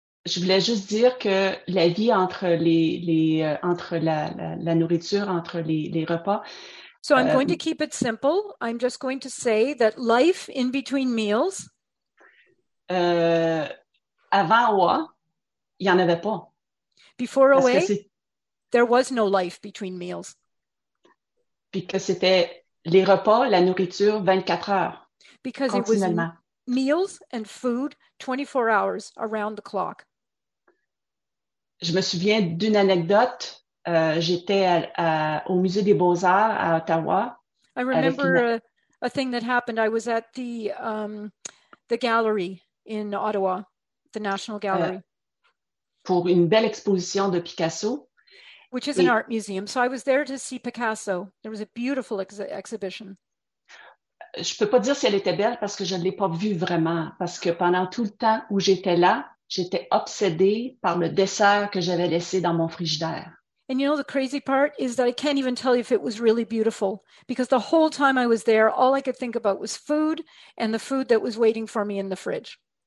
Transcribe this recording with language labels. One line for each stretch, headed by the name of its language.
French: Je voulais juste dire que la vie entre la nourriture, entre les repas.
English: So I'm going to keep it simple. I'm just going to say that life in between meals.
French: Avant OA, il n'y en avait pas.
English: Before OA, there was no life between meals.
French: Puis que c'était les repas, la nourriture, 24 heures.
English: Because it was meals and food 24 hours around the clock.
French: Je me souviens d'une anecdote. J'étais au Musée des Beaux-Arts à Ottawa.
English: I remember a thing that happened. I was at the gallery. In Ottawa, the National Gallery.
French: Pour une belle exposition de Picasso.
English: Which is an art museum. So I was there to see Picasso. There was a beautiful exhibition.
French: Je peux pas dire si elle était belle parce que je ne l'ai pas vue vraiment. Parce que pendant tout le temps où j'étais là, j'étais obsédée par le dessert que j'avais laissé dans mon frigidaire.
English: And you know, the crazy part is that I can't even tell you if it was really beautiful, because the whole time I was there, all I could think about was food and the food that was waiting for me in the fridge.